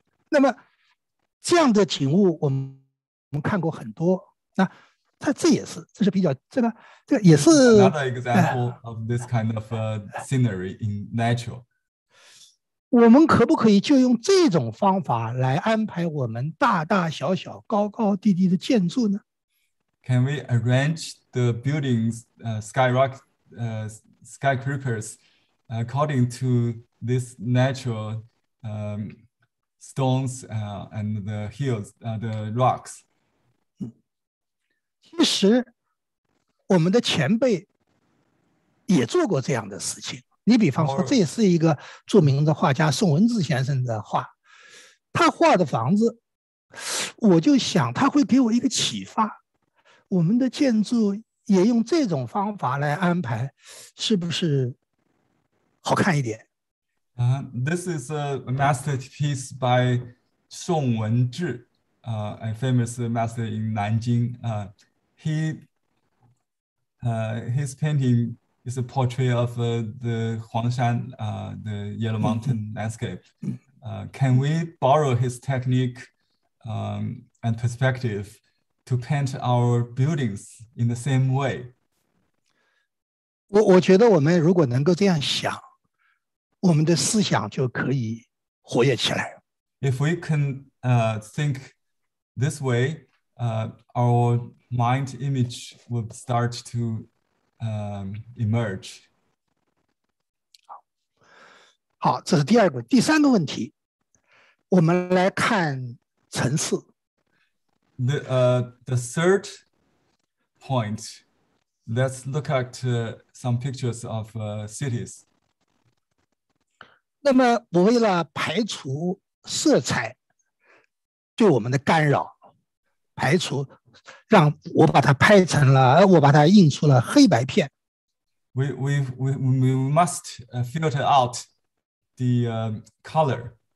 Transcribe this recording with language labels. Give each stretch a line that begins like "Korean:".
Chinese: 那么这样的景物我们看过很多，那它这也是，这是比较，这个也是
English: another example of this kind of scenery in nature.
Chinese: 我们可不可以就用这种方法来安排我们大大小小高高低低的建筑呢？
English: Can we arrange the buildings skyscrapers according to this natural stones and the hills, the rocks.
Chinese: 其实我们的前辈也做过这样的事情。你比方说，这也是一个著名的画家宋文志先生的画，他画的房子，我就想他会给我一个启发。我们的建筑也用这种方法来安排，是不是好看一点？
English: This is a masterpiece by Song Wenzhi, a famous master in Nanjing. His painting is a portrait of the Huangshan, the Yellow Mountain landscape. Can we borrow his technique and perspective to paint our buildings in the same way?
Chinese: 我觉得我们如果能够这样想，我们的思想就可以活跃起来。
English: If we can think this way, our mind image will start to emerge.
Chinese: 好，这是第二个。第三个问题，我们来看层次。
English: The third point, let's look at some pictures of cities.
Chinese: 那么我为了排除色彩对我们的干扰，排除让我把它拍成了，我把它印出了黑白片。
English: We must filter out the color.